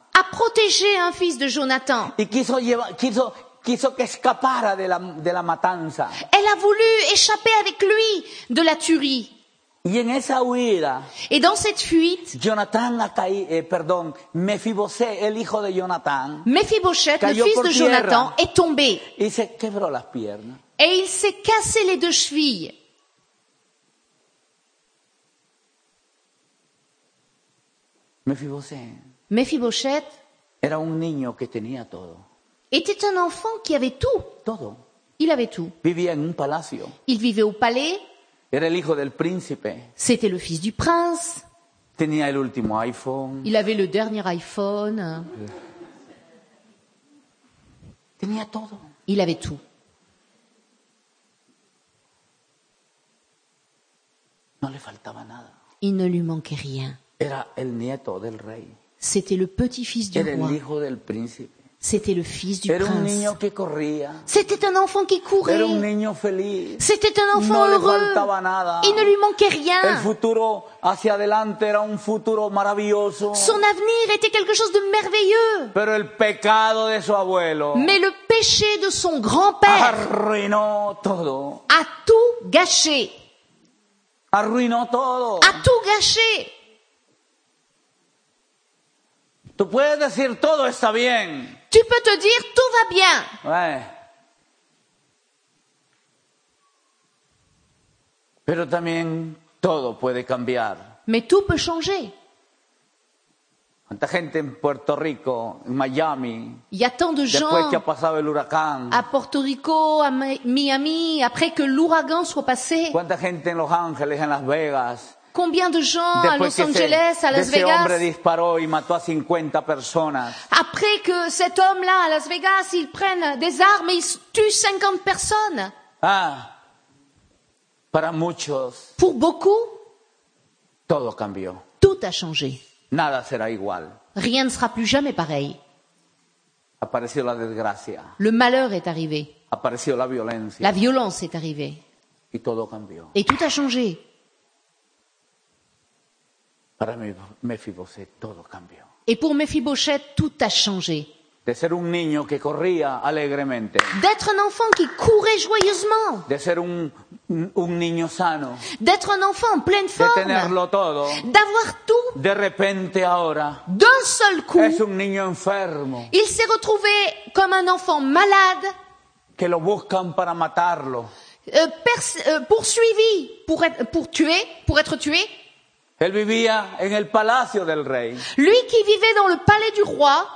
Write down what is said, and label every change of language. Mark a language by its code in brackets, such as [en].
[fr] A protégé un fils de Jonathan. [es] Y quiso que escapara de la matanza. [fr] Elle a voulu échapper avec lui de la tuerie. [es] Y en esa huida. [fr] Et dans cette fuite. [es] Jonathan a caído, Mephibosheth, el hijo de Jonathan. [fr] Mephibosheth, le fils de Jonathan, est tombé. [es] Y se quebró las piernas. [fr] Et il s'est cassé les deux chevilles. [es] Mephibosheth era un niño que tenía todo. [fr] Était un enfant qui avait tout. [es] Todo. [fr] Il avait tout. [es] Vivía en un palacio. [fr] Il vivait au palais. [es] Era el hijo del príncipe. [fr] C'était le fils du prince. [es] Tenía el último iPhone. [fr] Il avait le dernier iPhone. [es] Tenía todo. [fr] Il avait tout. [es] No le faltaba nada. [fr] Il ne lui manquait rien. [es] Era el nieto del rey. [fr] C'était le petit-fils du [es] roi. El hijo del príncipe. [fr] C'était le fils du [es] Era [fr] prince. [es] Un niño que corría. [fr] C'était un enfant qui courait. [es] Era un niño feliz. [fr] C'était un enfant [es] no [fr] heureux. [es] Le faltaba nada. [fr] Il ne lui manquait rien. [es] El futuro hacia adelante era un futuro maravilloso. [fr] Son avenir était quelque chose de merveilleux. [es] Pero el pecado de su abuelo. [fr] Mais le péché de son grand-père. [es] Arruinó todo. [fr] A tout gâché. [es] Arruinó todo. [fr] A tout gâché. [es] Tú puedes decir todo está bien. [fr] Tu peux te dire tout va bien. Ouais. [es] Pero también todo puede cambiar. [fr] Mais tout peut changer. [es] Tanta gente en Puerto Rico, en Miami. [fr] Y a tant de gens. [es] Después que ha pasado el huracán. [fr] A Puerto Rico, a Miami, après que l'ouragan soit passé. [es] Cuánta gente en Los Ángeles, en Las Vegas. [fr] Combien de gens à Los Angeles, à Las Vegas? [es] Ese hombre disparó y mató a 50 personas. [fr] Après que cet homme-là à Las Vegas, il prenne des armes et il tue 50 personnes. [es] Ah, para muchos. [fr] Pour beaucoup. [es] Todo cambió. [fr] Tout a changé. [es] Nada será igual. [fr] Rien ne sera plus jamais pareil. [es] Apareció la desgracia. [fr] Le malheur est arrivé. [es] Apareció la violencia. [fr] La violence est arrivée. [es] Y todo cambió. [fr] Et tout a changé. [es] Para Mephibosheth, todo cambió. [fr] Et pour Mephibosheth, tout a changé. [es] De ser un niño que corría alegremente. [fr] D'être un enfant qui courait joyeusement. [es] De ser un niño sano. [fr] D'être un enfant en pleine forme. [es] De tenerlo todo. [fr] D'avoir tout. [es] De repente ahora. [fr] D'un seul coup. [es] Es un niño enfermo. [fr] Il s'est retrouvé comme un enfant malade. [es] Que lo buscan para matarlo. [fr] Poursuivi pour être tué. [es] Él vivía en el palacio del rey. [fr] Lui qui vivait dans le palais du roi.